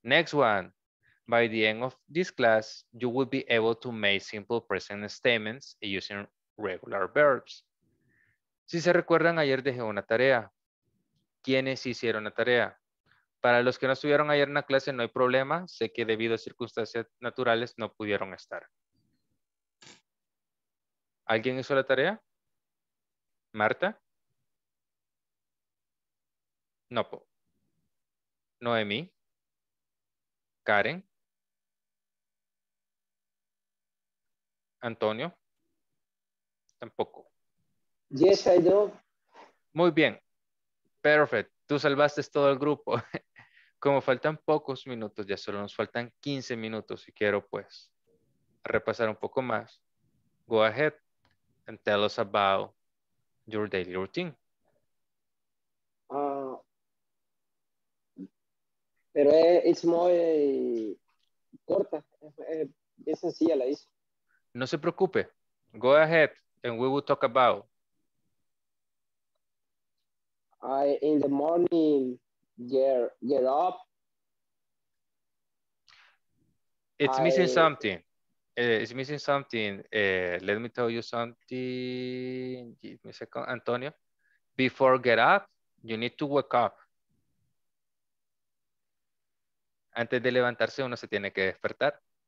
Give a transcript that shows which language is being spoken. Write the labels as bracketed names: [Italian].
[English] Next one, by the end of this class, you will be able to make simple present statements using regular verbs. [Spanish] Si se recuerdan, ayer dejé una tarea. ¿Quiénes hicieron la tarea? Para los que no estuvieron ayer en la clase, no hay problema. Sé que debido a circunstancias naturales no pudieron estar. ¿Alguien hizo la tarea? ¿Marta? No. ¿Noemí? ¿Karen? ¿Antonio? Tampoco. [English] Yes, I do. [Spanish] Muy bien. [English] Perfect. [Spanish] Tú salvaste todo el grupo. Como faltan pocos minutos, ya solo nos faltan 15 minutos y quiero pues repasar un poco más. [English] Go ahead and tell us about your daily routine. [Spanish] Pero es muy corta, es sencilla la hice. No se preocupe. [English] Go ahead and we will talk about. In the morning, get up. It's missing something. Let me tell you something. Give me a second, Antonio. Before get up, you need to wake up. [Spanish] Antes de levantarse, uno se tiene que despertar.